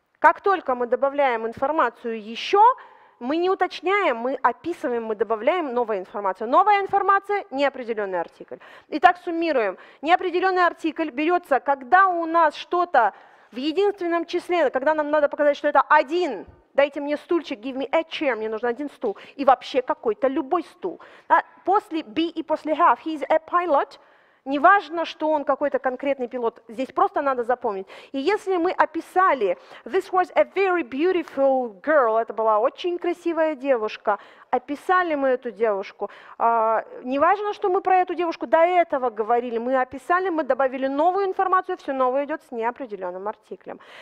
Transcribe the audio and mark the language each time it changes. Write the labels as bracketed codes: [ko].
[ru] Как только мы добавляем информацию «еще», мы не уточняем, мы описываем, мы добавляем новую информацию. Новая информация – неопределенный артикль. Итак, суммируем. Неопределенный артикль берется, когда у нас что-то в единственном числе, когда нам надо показать, что это один, дайте мне стульчик, [en] give me a chair, [ru] мне нужен один стул, и вообще какой-то любой стул. А после be и после have, [en] he is a pilot. [ru] Не важно, что он какой-то конкретный пилот, здесь просто надо запомнить. И если мы описали [en] «this was a very beautiful girl», [ru] это была очень красивая девушка, описали мы эту девушку, не важно, что мы про эту девушку до этого говорили, мы описали, мы добавили новую информацию, все новое идет с неопределенным артиклем.